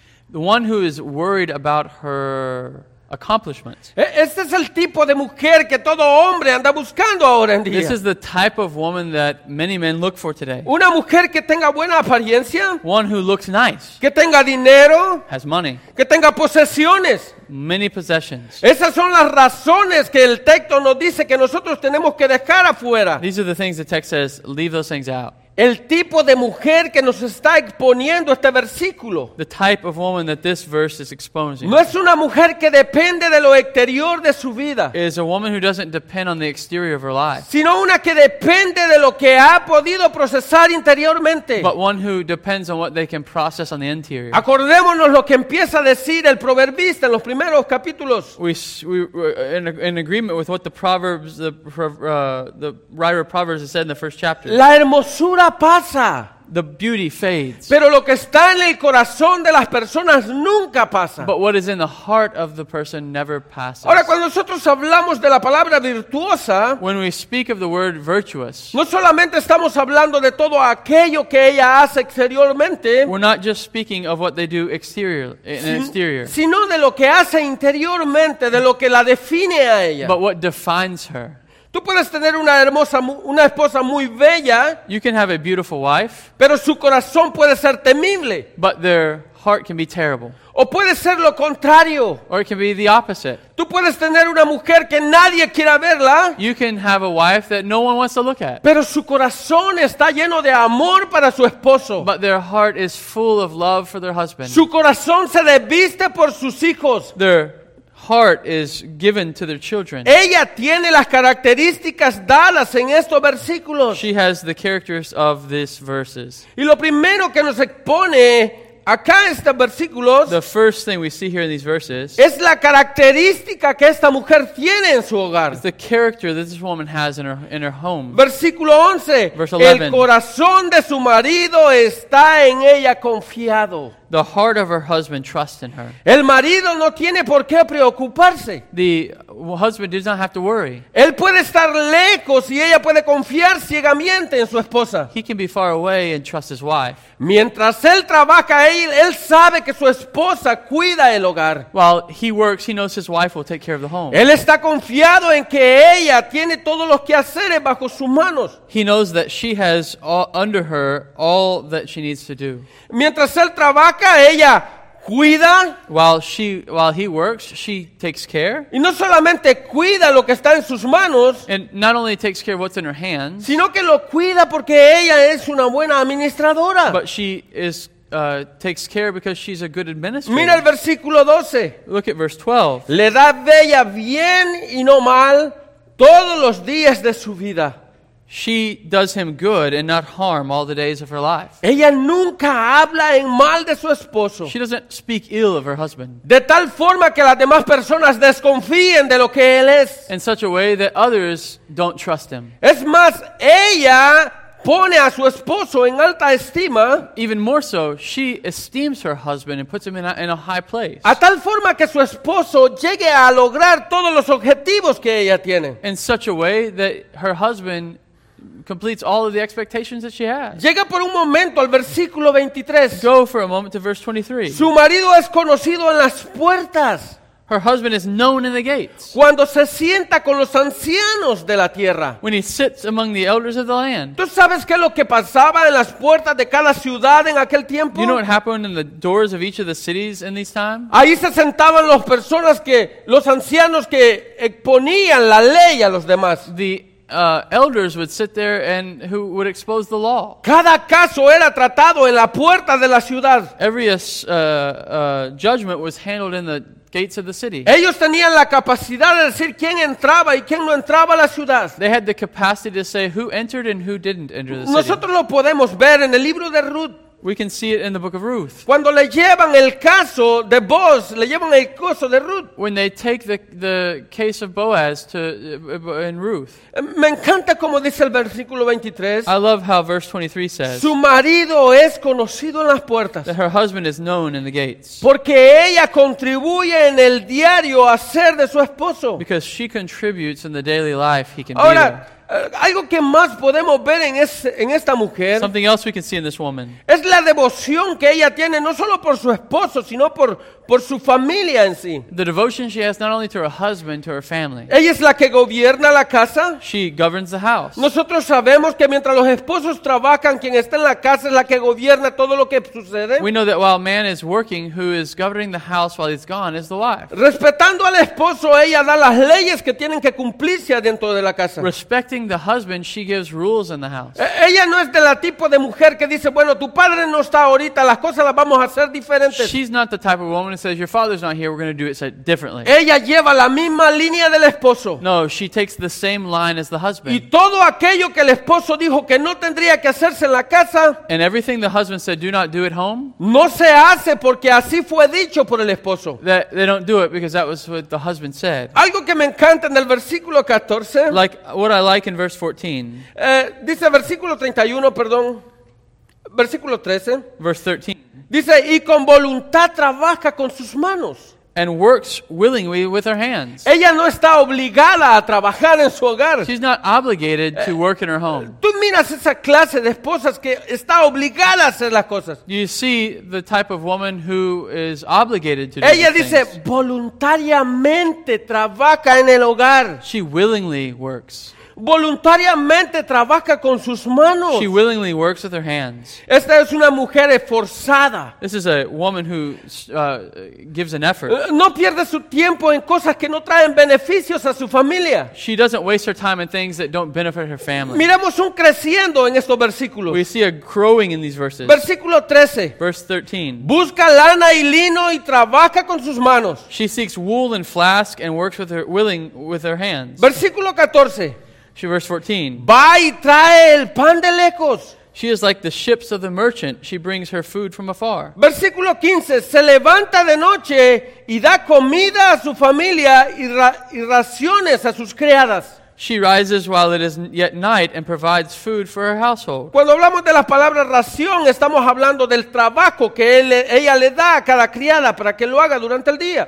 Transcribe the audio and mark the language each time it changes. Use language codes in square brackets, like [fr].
[en] The one who is worried about her accomplishments. [es] Este es el tipo de mujer que todo hombre anda buscando ahora en día. [en] This is the type of woman that many men look for today. [es] Una mujer que tenga buena apariencia. [en] One who looks nice. [es] Que tenga dinero. [en] Has money. [es] Que tenga posesiones. [en] Many possessions. [es] Esas son las razones que el texto nos dice que nosotros tenemos que dejar afuera. [en] These are the things the text says, leave those things out. [es] El tipo de mujer que nos está exponiendo este versículo. [en] The type of woman that this verse is exposing. [es] No es una mujer que depende de lo exterior de su vida. [en] It is a woman who doesn't depend on the exterior of her life. [es] Sino una que depende de lo que ha podido procesar interiormente. [en] But one who depends on what they can process on the interior. [es] Acordémonos lo que empieza a decir el proverbista en los primeros capítulos. [en] We're in agreement with what the writer of Proverbs has said in the first chapter. [es] La hermosura pasa. [en] The beauty fades. [es] Pero lo que está en el corazón de las personas nunca pasa. [en] But what is in the heart of the person never passes. [es] Ahora, cuando nosotros hablamos de la palabra virtuosa, [en] when we speak of the word virtuous, [es] no solamente estamos hablando de todo aquello que ella hace exteriormente, [en] we're not just speaking of what they do exterior, [es] sino de lo que hace interiormente, de lo que la define a ella. [en] But what defines her. [es] Tú puedes tener una hermosa, una esposa muy bella. [en] You can have a beautiful wife. [es] Pero su corazón puede ser temible. [en] But their heart can be terrible. [es] O puede ser lo contrario. [en] Or it can be the opposite. [es] Tú puedes tener una mujer que nadie quiera verla. [en] You can have a wife that no one wants to look at. [es] Pero su corazón está lleno de amor para su esposo. [en] But their heart is full of love for their husband. [es] Su corazón se desviste por sus hijos. [en] Their heart is given to their children. [es] Ella tiene las características dadas en estos versículos. [en] She has the characters of these verses. [es] Y lo primero que nos expone acá en estos versículos, [en] the first thing we see here in these verses, [es] es la característica que esta mujer tiene en su hogar. [en] Is the character that this woman has in her home. [es] Versículo 11, [en] verse 11. [es] El corazón de su marido está en ella confiado. [en] The heart of her husband trusts in her. [es] El marido no tiene por qué preocuparse. [en] The husband does not have to worry. [es] Él puede estar lejos y ella puede confiar ciegamente en su esposa. [en] He can be far away and trust his wife. [es] Mientras él trabaja, él sabe que su esposa cuida el hogar. [en] While he works, he knows his wife will take care of the home. [es] Él está confiado en que ella tiene todos los quehaceres bajo sus manos. [en] He knows that she has under her all that she needs to do. [es] Mientras él trabaja, ella cuida. [en] While he works, she takes care. [es] Y no solamente cuida lo que está en sus manos. [en] And not only takes care of what's in her hands. [es] Sino que lo cuida porque ella es una buena administradora. [en] But she is takes care because she's a good administrator. [es] Mira el versículo 12. [en] Look at verse 12. [es] Le da bella bien y no mal todos los días de su vida. [en] She does him good and not harm all the days of her life. [es] Ella nunca habla en mal de su esposo. [en] She doesn't speak ill of her husband. [es] De tal forma que las demás personas desconfíen de lo que él es. [en] In such a way that others don't trust him. [es] Es más, ella pone a su esposo en alta estima. [en] Even more so, she esteems her husband and puts him in a high place. [es] A tal forma que su esposo llegue a lograr todos los objetivos que ella tiene. [en] In such a way that her husband completes all of the expectations that she has. [es] Llega por un momento al versículo 23. [en] Go for a moment to verse 23. [es] Su marido es conocido en las puertas. [en] Her husband is known in the gates. [es] Cuando se sienta con los ancianos de la tierra. [en] When he sits among the elders of the land. [es] ¿Tú sabes qué es lo que pasaba en las puertas de cada ciudad en aquel tiempo? [en] You know what happened in the doors of each of the cities in these times? [es] Ahí se sentaban las personas que los ancianos que exponían la ley a los demás. [en] Elders would sit there and who would expose the law. [es] Cada caso era tratado en la puerta de la ciudad. [en] Every judgment was handled in the gates of the city. [es] Ellos tenían la capacidad de decir quién entraba y quién no entraba a la ciudad. [en] They had the capacity to say who entered and who didn't enter the city. [es] Nosotros lo podemos ver en el libro de Ruth. [en] We can see it in the book of Ruth. [es] Cuando le llevan el caso de Boaz, le llevan el caso de Ruth. [en] When they take the case of Boaz in Ruth. [es] Me encanta como dice el versículo 23. [en] I love how verse 23 says. [es] Su marido es conocido en las puertas. [en] That her husband is known in the gates. [es] Porque ella contribuye en el diario hacer de su esposo. [en] Because she contributes in the daily life he can [es] ahora, [en] be there. [es] Algo que más podemos ver en esta mujer. [en] Something else we can see in this woman. [es] Es la devoción que ella tiene no solo por su esposo, sino por su familia en sí. [en] The devotion she has not only to her husband, to her family. [es] Ella es la que gobierna la casa. [en] She governs the house. [es] Nosotros sabemos que mientras los esposos trabajan, quien está en la casa es la que gobierna todo lo que sucede. [en] We know that while man is working, who is governing the house while he's gone is the wife. [es] Respetando al esposo, ella da las leyes que tienen que cumplirse dentro de la casa. [en] Respecting the husband, she gives rules in the house. [es] Ella no es de la tipo de mujer que dice, bueno, tu padre no está ahorita, las cosas las vamos a hacer diferentes. [en] She's not the type of woman and says, your father's not here, we're going to do it differently. [es] Ella lleva la misma línea del esposo. [en] No, she takes the same line as the husband. [es] Y todo aquello que el esposo dijo que no tendría que hacerse en la casa, [en] and everything the husband said, do not do at home, [es] no se hace porque así fue dicho por el esposo. [en] That they don't do it because that was what the husband said. [es] Algo que me encanta en el versículo 14, [en] like what I like in verse 14, [es] dice versículo 31, perdón, versículo 13, [en] verse 13. [es] Dice, y con voluntad trabaja con sus manos. [en] And works willingly with her hands. [es] Ella no está obligada a trabajar en su hogar. [en] She's not obligated to work in her home. [es] Tú miras esa clase de esposas que está obligada a hacer las cosas. [en] You see the type of woman who is obligated to do [es] ella [en] things. [es] Dice, voluntariamente trabaja en el hogar. [en] She willingly works. [es] voluntariamente trabaja con sus manos. [en] She willingly works with her hands. [es] Esta es una mujer esforzada. [en] This is a woman who gives an effort. [es] No pierde su tiempo en cosas que no traen beneficios a su familia. [en] She doesn't waste her time in things that don't benefit her family. [es] Miramos un creciendo en estos versículos. [en] We see a growing in these verses. [es] Versículo 13. [en] Verse 13. [es] Busca lana y lino y trabaja con sus manos. [en] She seeks wool and flask and works with her willing with her hands. [es] Versículo 14. [en] She verse 14. [es] Va y trae el pan de lejos. [en] She is like the ships of the merchant. She brings her food from afar. [es] Versículo 15. Se levanta de noche y da comida a su familia y raciones a sus criadas. [en] She rises while it is yet night and provides food for her household. [es] Cuando hablamos de la palabra ración, estamos hablando del trabajo que ella le da a cada criada para que lo haga durante el día.